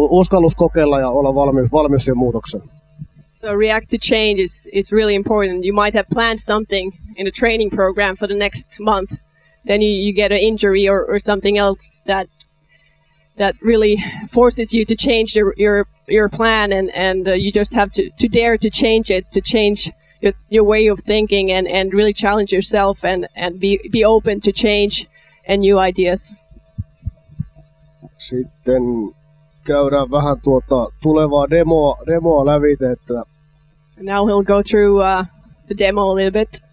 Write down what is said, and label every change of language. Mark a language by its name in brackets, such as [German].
[Finnish] Uskallus kokeilla ja olla valmius siihen muutokseen. [English] So react to change is really important. You might have planned something in a training program for the next month. Then you get an injury or something else that really forces you to change your plan, and you just have to dare to change it, to change your way of thinking and really challenge yourself and be open to change and new ideas. [Finnish] Sitten käydään vähän tulevaa demoa lävitse, että [English] now he'll go through the demo a little bit.